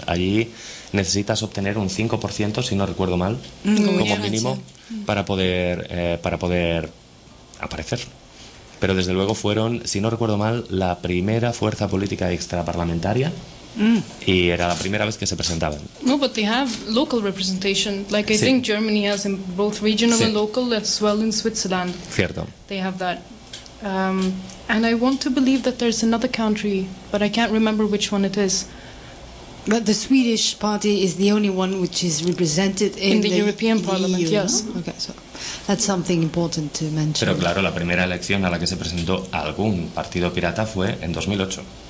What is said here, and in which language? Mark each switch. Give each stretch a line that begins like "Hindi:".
Spanish: Allí necesitas obtener un 5%, si no recuerdo mal, como mínimo, para poder aparecer. Pero desde luego fueron, si no recuerdo mal, la primera fuerza política extraparlamentaria y era la primera vez que se presentaban.
English: No, but they have local representation. Like I think Germany has in both regional and local, as well in Switzerland.
Spanish: Cierto.
English: They have that. And I want to believe that there's another country, but I can't remember which one it is. But the Swedish party is the only one which is represented in the European Parliament, EU, yes. No? Okay, so that's something important to mention.
Spanish: Pero claro, la primera elección a la que se presentó algún partido pirata fue en 2008.